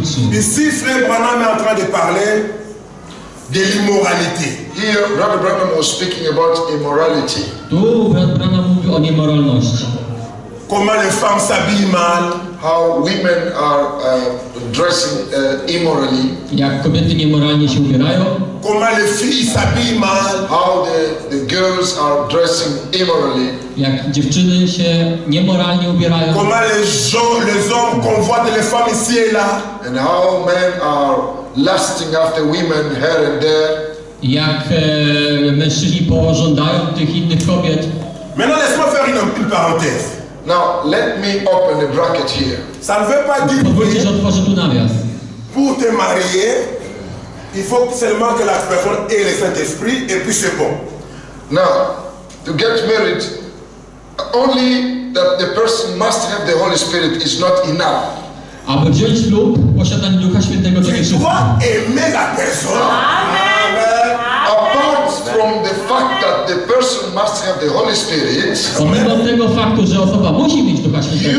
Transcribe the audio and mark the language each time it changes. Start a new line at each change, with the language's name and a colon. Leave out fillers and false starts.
French: Ici, Frère Branham est en train de parler de l'immoralité.
English: Here, Brother Branham was speaking about immorality.
Polish: Tu, Brother Branham mówi o niemoralności.
French: Comment les femmes s'habillent mal?
English: How women are dressing immorally?
Polish: Jak kobiety niemoralnie się ubierają?
French: Comment les filles s'habillent mal?
English: How the girls are dressing immorally?
Polish: Jak dziewczyny się niemoralnie ubierają?
French: Comment les hommes convoitent les femmes ici et là?
English: And how men are lusting after women here and there?
Polish: Jak mężczyźni pożądają tych innych kobiet?
French: Maintenant, laisse-moi faire une parenthèse.
English: Now let me open a bracket here.
French: Ça ne veut pas dire que je dois tout navier. Pour te marier, il faut seulement que la personne ait le Saint-Esprit et puis c'est bon.
English: Now, to get married, only that the person must have the Holy Spirit is not enough.
Polish: Aby wziąć ślub, posiadanie Ducha Świętego to jest wszystko.
French: Aimer la personne. Amen.
English: Apart from the fact that the person must have the Holy Spirit,
Polish: pomimo tego faktu, że osoba musi mieć Ducha Świętego,